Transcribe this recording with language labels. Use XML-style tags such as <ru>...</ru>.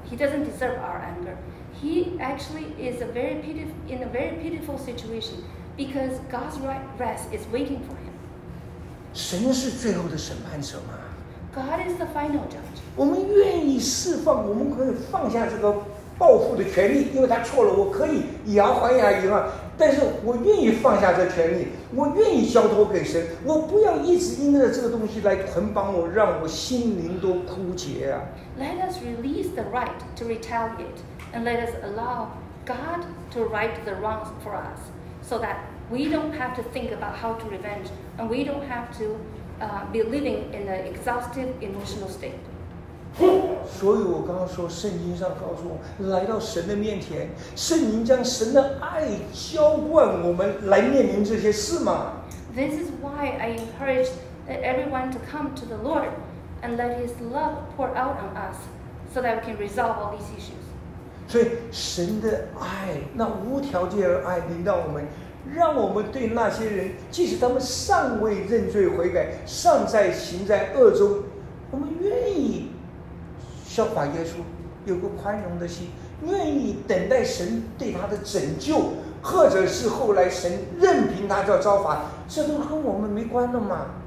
<en>He doesn't deserve our anger. He actually is in a very pitiful situation because God's wrath is waiting for him.</en> <zh>神是最后的审判者吗？</zh> <en>God is the final judge.</en> <zh>我们愿意释放，我们可以放下这个报复的权利，因为他错了，我可以以牙还牙，以恨。但是我愿意放下这权利，我愿意交托给神，我不要一直因着这个东西来捆绑我，让我心灵都枯竭啊。</zh> <en>Let us release the right to retaliate. And let us allow God to right the wrongs for us so that we don't have to think about how to revenge and we don't have to be living in an exhausted emotional state.</en> <zh>所以我刚刚说圣经上告诉我来到神的面前圣灵将神的爱浇灌我们来面临这些事吗？</zh> <en>This is why I encourage everyone to come to the Lord and let his love pour out on us so that we can resolve all these issues.</en> <zh>所以神的爱那无条件的爱临到我们让我们对那些人即使他们尚未认罪悔改尚在行在恶中我们愿意效法耶稣，有个宽容的心，愿意等待神对他的拯救，或者是后来神任凭他叫遭罚，这都跟我们没关了吗？</zh>